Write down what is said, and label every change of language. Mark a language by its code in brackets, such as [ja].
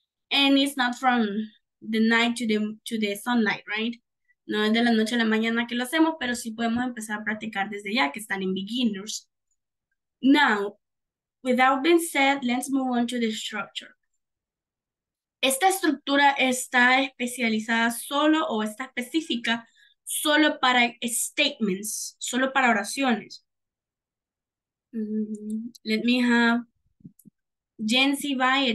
[en] And it's not from the night to the sunlight, right? [es] No es de la noche a la mañana que lo hacemos, pero sí podemos empezar a practicar desde ya, que están en beginners. [en] Now, without being said, let's move on to the structure. [es] Esta estructura está especializada solo o está específica solo para statements, solo para oraciones. [en] Let me have Jen C. Valle.